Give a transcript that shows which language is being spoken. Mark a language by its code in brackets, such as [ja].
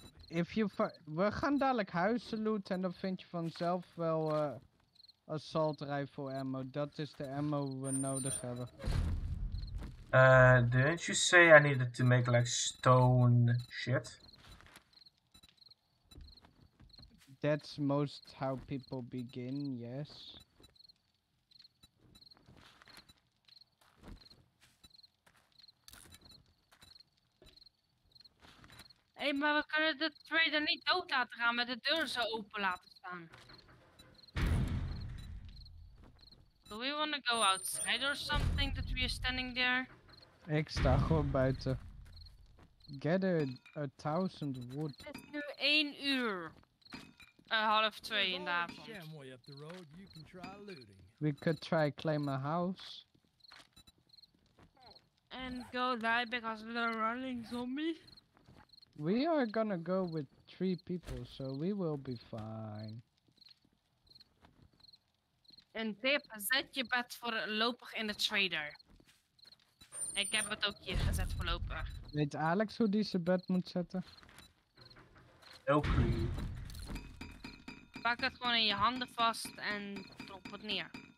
[en] If you [nl] we gaan dadelijk huizen loot en dan vind je vanzelf wel assault rifle ammo. Dat is de ammo we nodig hebben. [en] Didn't you say I needed to make like stone shit? That's most how people begin, yes. [nl] Hey, maar we kunnen de trader niet dood laten gaan met de deur zo open laten staan. [en] Do we want to go outside or something that we are standing there? [nl] Ik sta gewoon buiten. [en] Get a 1000 wood. [nl] Het is nu 1 uur. 1:30 in de avond. [en] Up the road, you can try looting. We could try claim a house. And go die because of the running zombie. We are gonna go with 3 people, so we will be fine. [nl] And Tip, zet je bed voorlopig in de trader. Ik heb het ook hier gezet voorlopig. Weet Alex hoe die zijn bed moet zetten? Oké. Pak het gewoon in je handen vast en drop het neer.